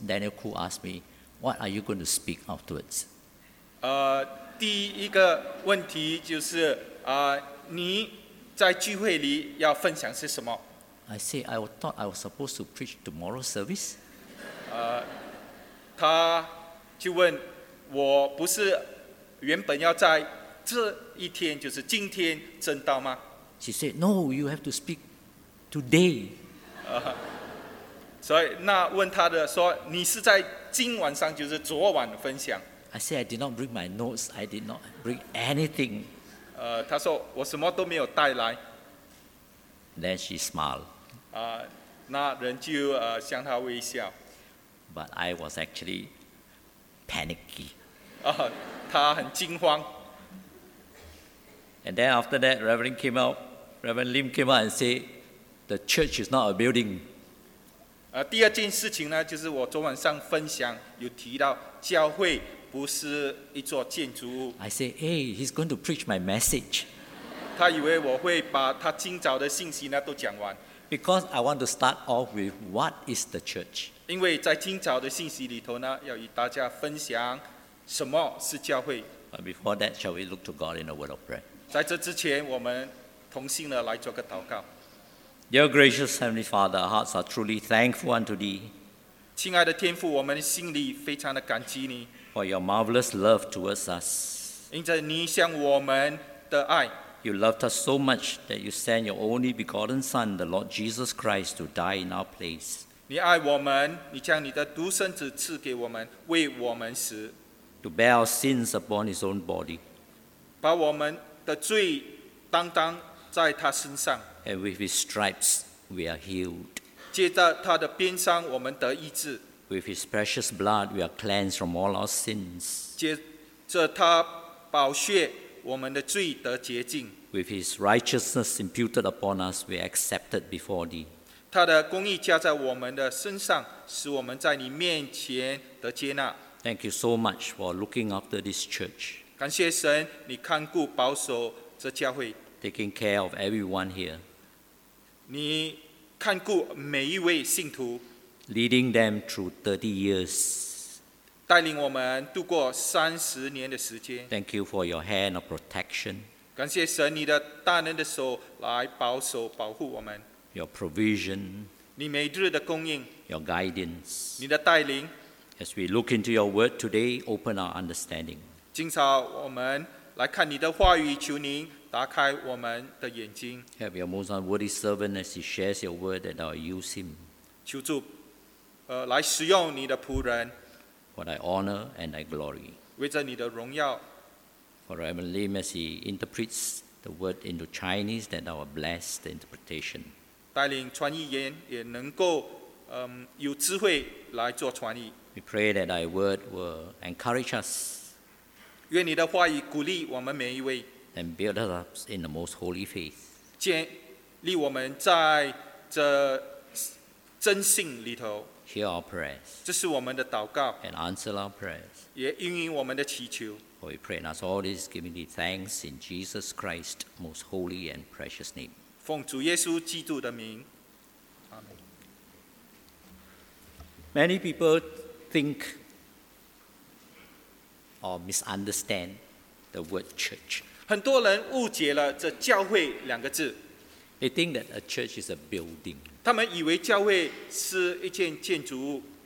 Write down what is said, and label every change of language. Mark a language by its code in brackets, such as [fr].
[en] Daniel Koo asked me, "What are you going to speak afterwards?" [zh] 第一个问题就是你在聚会里要分享些什么？ [en] I say, I thought I was supposed to preach tomorrow's service. [zh] 他就问我不是原本要在这一天，就是今天证道吗？ [en] She said, No, you have to speak today. [zh] 所以那问他的说，你是在今晚上，就是昨晚分享。 [en] I say, I did not bring my notes. I did not bring anything. [zh] 他说我什么都没有带来。 [en] Then she smiled. [zh] 那人就向他微笑。 [en] But I was actually panicky. [zh] 他很惊慌。 [en] And then after that, Reverend Lim came out and said, "The church is not a building." [zh] 第二件事情呢，就是我昨晚上分享有提到教会不是一座建筑物。 [en] I say, hey, he's going to preach my message. [zh] 他以为我会把他今早的信息呢都讲完。 [en] Because I want to start off with what is the church. [zh] 因为在今早的信息里头呢，要与大家分享什么是教会。 [en] But before that, shall we look to God in a word of prayer? [zh] 在这之前，我们同心的来做个祷告。 [en] Dear gracious Heavenly Father, our hearts are truly thankful unto Thee. [zh] 亲爱的天父，我们心里非常的感激你。 [en] For your marvelous love towards us. [zh] 因着你向我们的爱。 [en] You loved us so much that you sent your only begotten Son, the Lord Jesus Christ, to die in our place. [zh] 你爱我们，你将你的独生子赐给我们，为我们死。 [en] To bear our sins upon His own body. [zh] 把我们的罪担当在他身上。 [en] And with His stripes, we are healed. [zh] 借着他的鞭伤，我们得医治。 [en] With His precious blood, we are cleansed from all our sins. [zh] 借着他宝血，我们的罪得洁净。 [en] With His righteousness imputed upon us, we are accepted before Thee. [zh] 他的公义加在我们的身上，使我们在你面前得接纳。 [en] Thank you so much for looking after this church. [zh] 感谢神，你看顾保守这教会。 [en] Taking care of everyone here. [zh] 你看顾每一位信徒。 [en] Leading them through 30 years. [zh] 带领我们度过三十年的时间。 [en] Thank you for your hand of protection. [zh] 感谢神，你的大能的手来保守保护我们。 [en] Your provision. [zh] 你每日的供应。 [en] Your guidance. [zh] 你的带领。 [en] As we look into your word today, open our understanding. [zh] 今朝我们来看你的话语，求您打开我们的眼睛。 [en] Have your most unworthy servant as he shares your word that I will use him. [zh] 求主来使用你的仆人。 [en] For thy honor and thy glory. [zh] 为着你的荣耀。 [en] For Emily as he interprets the word into Chinese that I will bless the interpretation. [zh] 带领传译员也能够有智慧来做传译。 [en] We pray that thy word will encourage us. [zh] 愿你的话语鼓励我们每一位。 [en] And build us up in the most holy faith. [zh] 建立我们在这真信里头。 [en] Hear our prayers. [zh] 这是我们的祷告。 [en] And answer our prayers. [zh] 也应允我们的祈求。 [en] For we pray and ask all this, giving thee thanks in Jesus Christ's most holy and precious name. [zh] 奉主耶稣基督的名。 [en] Amen. Many people think or misunderstand the word church. [zh] 很多人误解了这教会两个字。 [en] They think that a church is a building. [zh] 他们以为教会是一件建筑物。